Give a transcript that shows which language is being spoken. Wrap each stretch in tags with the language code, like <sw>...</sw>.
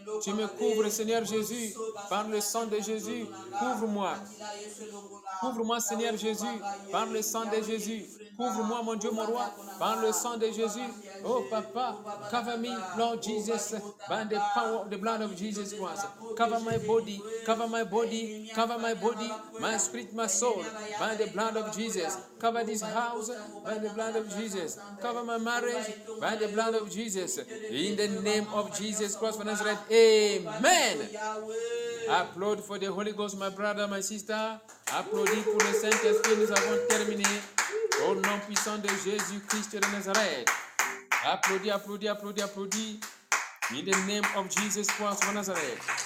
<fr>Tu me couvres, Seigneur Jésus, par le sang de Jésus. Couvre-moi. Couvre-moi, Seigneur Jésus, par le sang de Jésus. Couvre-moi, mon Dieu, mon roi, par le sang de Jésus.</fr> <en>Oh, papa, cover me, Lord Jesus, by the power of the blood of Jesus Christ. Cover my body, cover my body, cover my body, my spirit, my soul, by the blood of Jesus. Cover this house, by the blood of Jesus. Cover my marriage, by the blood of Jesus. In the name of Jesus Christ of Nazareth, amen. Applaud for the Holy Ghost, my brother, my sister.</en> <fr>Applaudis pour le Saint-Esprit, nous avons terminé. Au nom puissant de Jésus-Christ de Nazareth. Applaudis, applaudis, applaudis, applaudis.</fr> <en>In the name of Jesus Christ of Nazareth.</en>